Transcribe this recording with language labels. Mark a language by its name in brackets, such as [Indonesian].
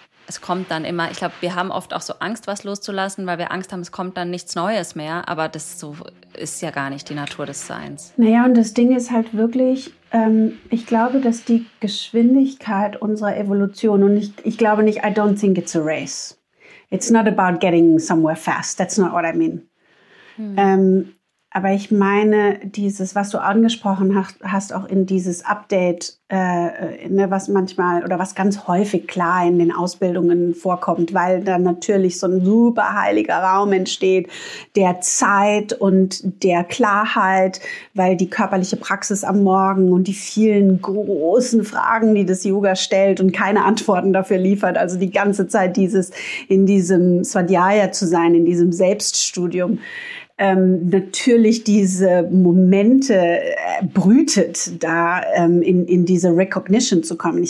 [German] Es kommt dann immer, ich glaube, wir haben oft auch so Angst, was loszulassen, weil wir Angst haben, es kommt dann nichts Neues mehr. Aber das so ist ja gar nicht die Natur des Seins. Naja, und das Ding ist halt wirklich, ich glaube, dass die Geschwindigkeit unserer Evolution, und ich glaube nicht, [English] I don't think it's a race. It's not about getting somewhere fast. That's not what I mean. [German] Aber ich meine, dieses, was du angesprochen hast, auch in dieses Update, ne, was manchmal oder was ganz häufig klar in den Ausbildungen vorkommt, weil dann natürlich so ein super heiliger Raum entsteht, der Zeit und der Klarheit, weil die körperliche Praxis am Morgen und die vielen großen Fragen, die das Yoga stellt und keine Antworten dafür liefert, also die ganze Zeit dieses in diesem Swadhyaya zu sein, in diesem Selbststudium, natürlich diese Momente brütet, da in diese Recognition zu kommen.